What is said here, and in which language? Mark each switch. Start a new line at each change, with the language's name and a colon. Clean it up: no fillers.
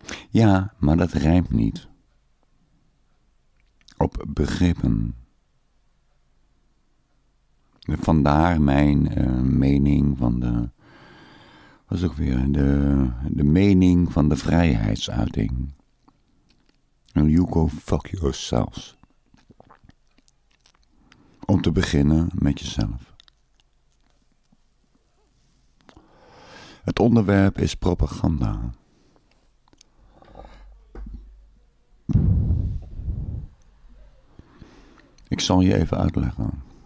Dutch: Ja, maar dat rijmt niet. Op begrippen. Vandaar mijn mening van de... Was ook weer de mening van de vrijheidsuiting.
English: And you go fuck yourselves.
Dutch: Om te beginnen met jezelf. Het onderwerp is propaganda. Ik zal je even uitleggen.